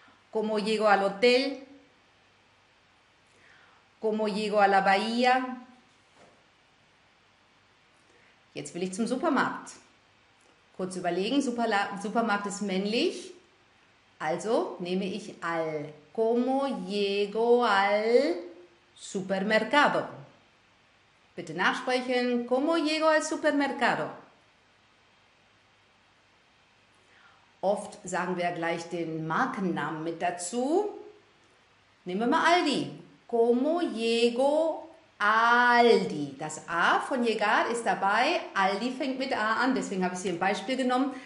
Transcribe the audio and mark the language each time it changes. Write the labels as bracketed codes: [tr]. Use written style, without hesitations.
[es] ¿Cómo llego al hotel? ¿Cómo llego a la bahía? [de] Jetzt will ich zum Supermarkt. Kurz überlegen, Supermarkt ist männlich, also nehme ich al. [es] ¿Cómo llego al supermercado? [de] Bitte nachsprechen. [es] ¿Cómo llego al supermercado? [de] Oft sagen wir gleich den Markennamen mit dazu. Nehmen wir mal Aldi. [es] ¿Cómo llego Aldi? [de] Das A von llegar ist dabei. Aldi fängt mit A an, deswegen habe ich hier ein Beispiel genommen.